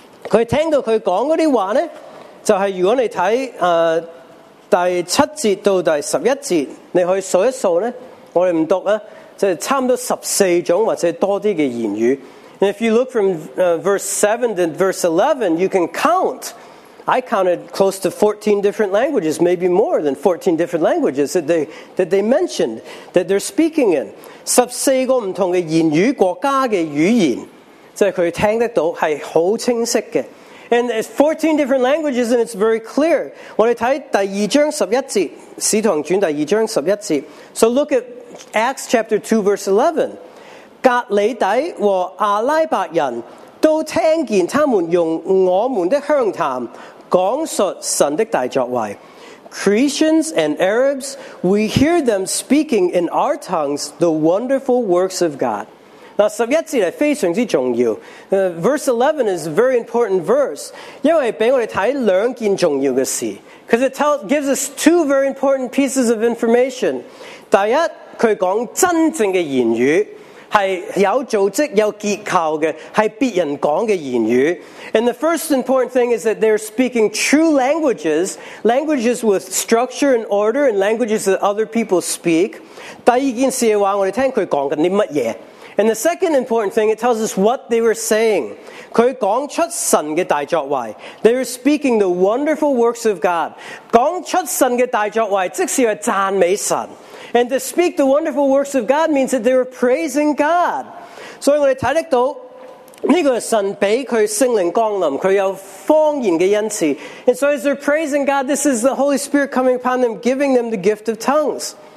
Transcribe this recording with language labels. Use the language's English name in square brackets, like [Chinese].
[Chinese] 他听到他讲的话呢，就是如果你看第七节到第十一节，你可以数一数呢，我们不读呢，就是差不多14种或者多些的言语。 [English] And if you look from verse 7 to verse 11, you can count I counted close to 14 different languages, maybe more than 14 different languages that they mentioned that they're speaking in. [Chinese] 14个不同的言语国家的语言, 即是他听得到是很清晰的. [English] And it's 14 different languages, and it's very clear. [Chinese] 我们看第二章十一节，使徒行传第二章十一节. [English] So look at Acts chapter 2, verse 11. [Chinese] 格里底和阿拉伯人都听见他们用我们的乡谈讲述神的大作为. [English] Cretans and Arabs, we hear them speaking in our tongues the wonderful works of God. [Chinese] 十一节非常重要. [English] Verse 11 is a very important verse, [Chinese] 因为给我们看两件重要的事, [English] because it gives us two very important pieces of information. [Chinese] 第一,他讲真正的言语, 是有组织,有结构的, 是别人讲的言语. [English] And the first important thing is that they're speaking true languages, languages with structure and order, and languages that other people speak. [Chinese] 第二件事的话,我们听他讲的什么? [English] And the second important thing, it tells us what they were saying. [Chinese] 他讲出神的大作为. [English] They were speaking the wonderful works of God. [Chinese] 讲出神的大作为, 即是赞美神. [English] And to speak the wonderful works of God means that they were praising God. [Chinese] 所以我们看得到, 这个神被他圣灵降临, 他有方言的恩赐. [English] And so as they're praising God, this is the Holy Spirit coming upon them, giving them the gift of tongues.